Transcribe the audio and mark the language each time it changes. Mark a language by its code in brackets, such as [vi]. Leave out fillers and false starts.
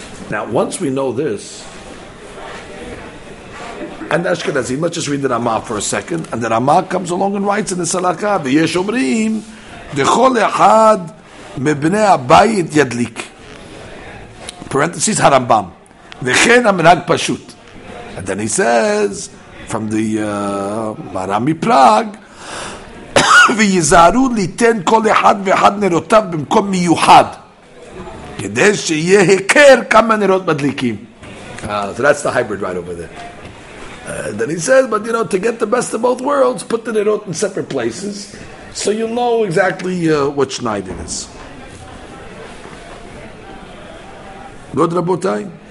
[en] Now, once we know this, and Ashkenazim, let's just read the Ramah for a second, and the Ramah comes along and writes in the Salaka, [he] "V'yesh omrim, dechol echad mebnei abayit yadlik." [en] Parentheses Harambam, [he] v'chein haminhag pashut, [en] and then he says from the Barami Prague. [he] ויזהרו ליתן כל אחד ואחד נרותיו במקום מיוחד כדי שיהיה היכר כמה נרות מדליקים. [en] So that's the hybrid right over there. Then he says, but you know, to get the best of both worlds, put the nerot in separate places so you know exactly what shnayit it is. Good, Rabotai?